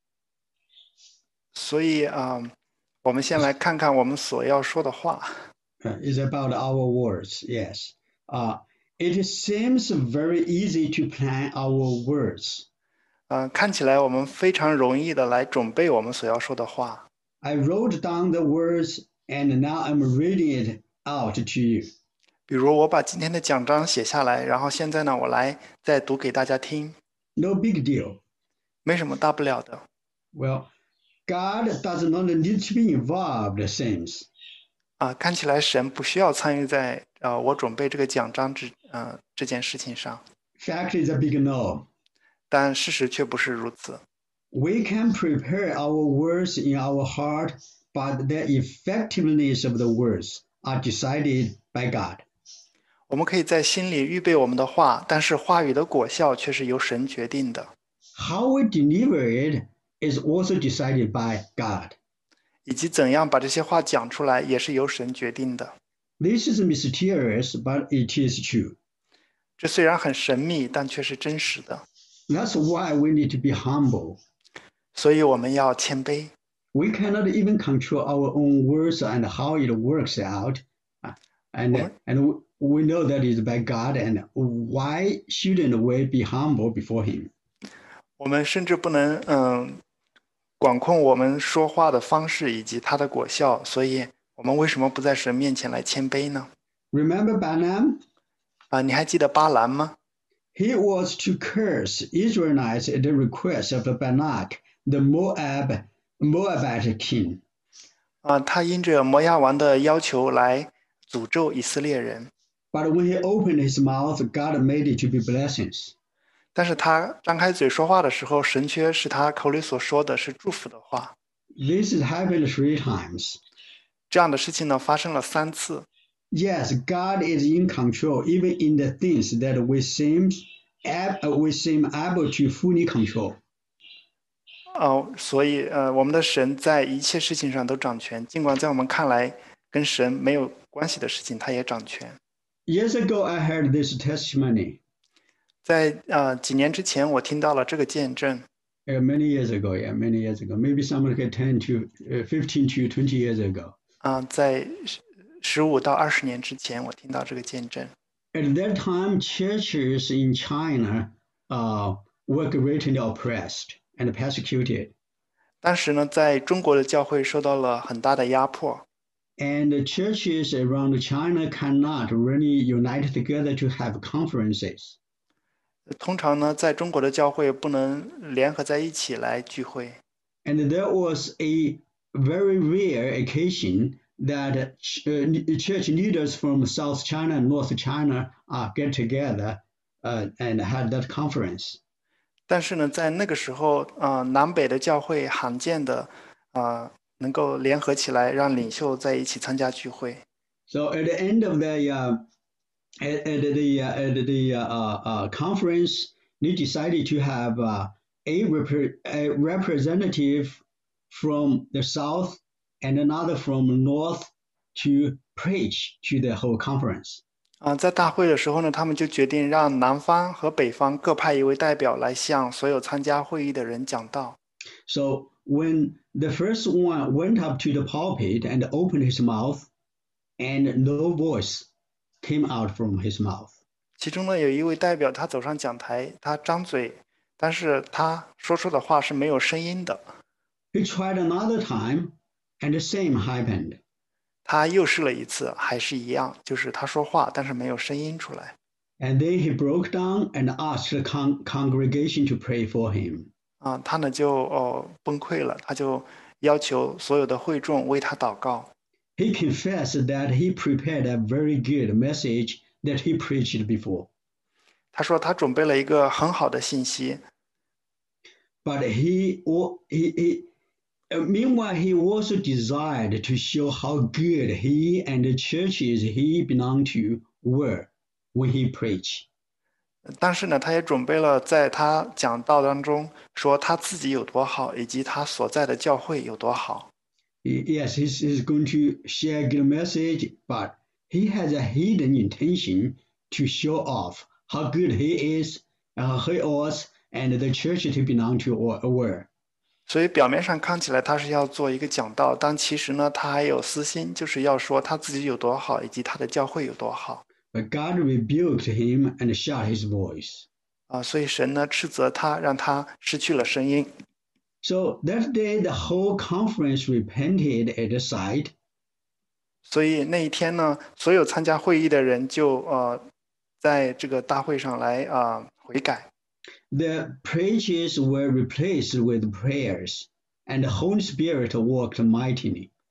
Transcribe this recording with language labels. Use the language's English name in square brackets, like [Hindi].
[Chinese] ”所以我们先来看看我们所要说的话。 [English] Is about our words, yes. It seems very easy to plan our words. [Chinese] 看起来我们非常容易的来准备我们所要说的话。 [English] I wrote down the words and now I'm reading it out to you. [Chinese] 比如我把今天的讲章写下来，然后现在呢，我来再读给大家听， [English] No big deal. [Chinese] 没什么大不了的。 [English] Well, God does not need to be involved, it seems. [Chinese] 看起来神不需要参与在我准备这个讲章这件事情上， [English] Fact is a big no. [Chinese] 但事实却不是如此。 [English] We can prepare our words in our heart, but the effectiveness of the words are decided by God. [Chinese] 我们可以在心里预备我们的话，但是话语的果效却是由神决定的， [English] How we deliver it is also decided by God. [Chinese] 以及怎样把这些话讲出来也是由神决定的。 [English] This is mysterious, but it is true. [Chinese] 这虽然很神秘，但却是真实的。 [English] That's why we need to be humble. [Chinese] 所以我们要谦卑。 [English] We cannot even control our own words and how it works out. [Chinese] 我们。 [English] And we know that it is by God, and why shouldn't we be humble before Him? [Chinese] 我们甚至不能管控我们说话的方式以及它的果效，所以我们为什么不在神面前来谦卑呢？ [English] Remember Balaam? [Chinese] 你还记得巴兰吗？ [English] He was to curse Israelites at the request of Balak, the Moabite king. [Chinese] 他因着摩押王的要求来诅咒以色列人。 [English] But when he opened his mouth, God made it to be blessings. [Chinese] 但是他张开嘴说话的时候，神却使他口里所说的是祝福的话。 [English] This happened three times. [Chinese] 这样的事情呢，发生了3次。 [English] Yes, God is in control even in the things that we seem able to fully control. [Chinese] 所以我们的神在一切事情上都掌权，尽管在我们看来跟神没有关系的事情，他也掌权。 [English] Years ago, I heard this testimony. [Chinese] 在几年之前，我听到了这个见证。 [English] Many years ago, maybe somewhere like 10 to 15 to 20 years ago. [Chinese] 在15到20年之前，我听到这个见证。 [English] At that time, churches in China, were greatly oppressed and persecuted. [Chinese] 当时呢，在中国的教会受到了很大的压迫。 [English] And churches around China cannot really unite together to have conferences. [Chinese] 通常呢，在中国的教会不能联合在一起来聚会。 [English] And there was a very rare occasion that church leaders from South China and North China get together and had that conference. [Chinese] 但是呢，在那个时候，南北的教会罕见的，能够联合起来，让领袖在一起参加聚会。 [English] So at the end of the conference, they decided to have a representative from the south and another from north to preach to the whole conference. [Chinese] 在大会的时候呢，他们就决定让南方和北方各派一位代表来向所有参加会议的人讲道。 [English] So when the first one went up to the pulpit and opened his mouth, and no voice came out from his mouth. [Chinese] 其中呢，有一位代表，他走上讲台，他张嘴，但是他说出的话是没有声音的。 [English] He tried another time, and the same happened. [Chinese] 他又试了一次，还是一样，就是他说话，但是没有声音出来。 [English] And then he broke down and asked the congregation to pray for him. [Chinese] 他呢就崩溃了，他就要求所有的会众为他祷告。 [English] He confessed that he prepared a very good message that he preached before. [Chinese] 他说他准备了一个很好的信息。 [English] But meanwhile, he also desired to show how good he and the churches he belonged to were when he preached. [Chinese] 但是呢，他也准备了，在他讲道当中说他自己有多好，以及他所在的教会有多好。 [English] Yes, he's going to share good message, but he has a hidden intention to show off how good he is, he was, and the church to belong to or. [Chinese] 所以表面上看起来他是要做一个讲道，但其实呢，他还有私心，就是要说他自己有多好，以及他的教会有多好。 [English] But God rebuked him and shut his voice. [Chinese] 啊，所以神呢斥责他，让他失去了声音。 [English] So that day, the whole conference repented at the sight. [Chinese] 所以那一天呢，所有参加会议的人就在这个大会上来悔改。 [English] The preachers were replaced with prayers, and the Holy Spirit worked mightily.